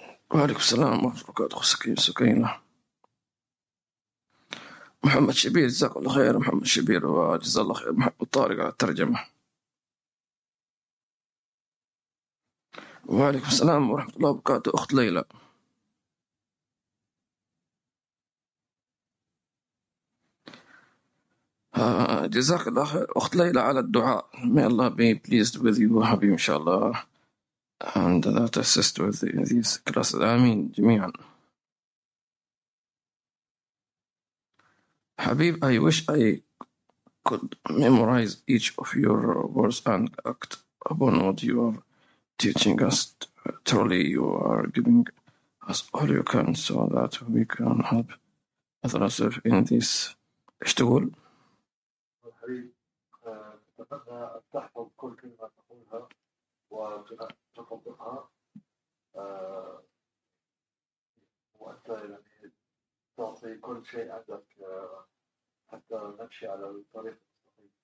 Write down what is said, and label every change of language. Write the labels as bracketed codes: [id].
[ar] وعليكم السلام ورحمة الله وبركاته. سكينة محمد شبير، جزاك الله خير محمد شبير، وجزا الله خير محمد طارق على الترجمة. وعليكم السلام ورحمة الله وبركاته. أخت ليلى، جزاك الله خير أخت ليلى على الدعاء. [en] May Allah be pleased with you [ar] حبيبي إن شاء الله، [en] and that assist with these classes. [ar] آمين جميعا. [en] حبيب، I wish I could memorize each of your words and act upon what you are teaching us. Truly you are giving us all you can so that we can help others in this اشتغل. [ar] أتمنى أن تحفظ كل كلمة تقولها وتقبلها، وأنت يعني تعطي كل شيء عندك حتى نمشي على الطريق الصحيح.